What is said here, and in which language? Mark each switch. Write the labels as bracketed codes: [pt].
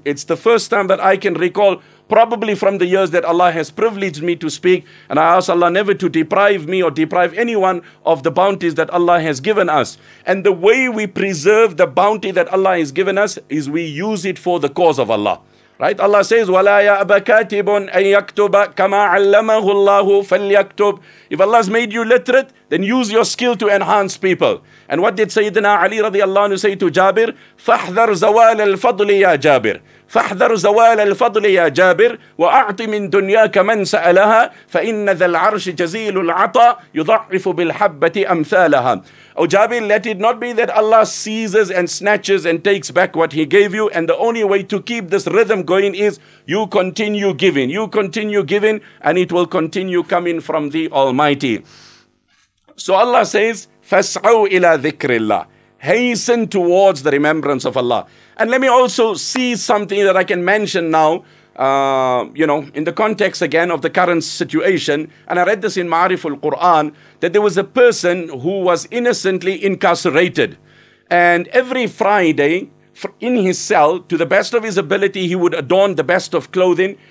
[en] It's the first time that I can recall, probably from the years that Allah has privileged me to speak. And I ask Allah never to deprive me or deprive anyone of the bounties that Allah has given us. And the way we preserve the bounty that Allah has given us is we use it for the cause of Allah. Right? Allah says, [ar] وَلَا يَأْبَ كَاتِبٌ أَن يَكْتُبَ كَمَا عَلَّمَهُ اللَّهُ فَلْيَكْتُبْ. [en] If Allah has made you literate, then use your skill to enhance people. And what did Sayyidina Ali radiallahu anhu say to Jabir? [ar] فَاحْذَرْ زَوَالَ الْفَضْلِ يَا جَابِرْ. فَاحْذَرْ زَوَالَ الْفَضْلِ يَا جَابِرْ وَأَعْطِ مِن دُنْيَاكَ مَنْ سَأَلَهَا فَإِنَّ ذَا الْعَرْشِ جَزِيلُ الْعَطَى يُضَعِّفُ بِالْحَبَّةِ أَمْثَالَهَا. [en] O Jabir, let it not be that Allah seizes and snatches and takes back what He gave you. And the only way to keep this rhythm going is you continue giving. You continue giving and it will continue coming from the Almighty. So Allah says, [ar] فَاسْعَوْ إِلَى ذِكْرِ اللَّهِ. [en] Hasten towards the remembrance of Allah. And let me also see something that I can mention now, in the context again of the current situation. And I read this in Ma'riful Quran, that there was a person who was innocently incarcerated. And every Friday in his cell, to the best of his ability, he would adorn the best of clothing.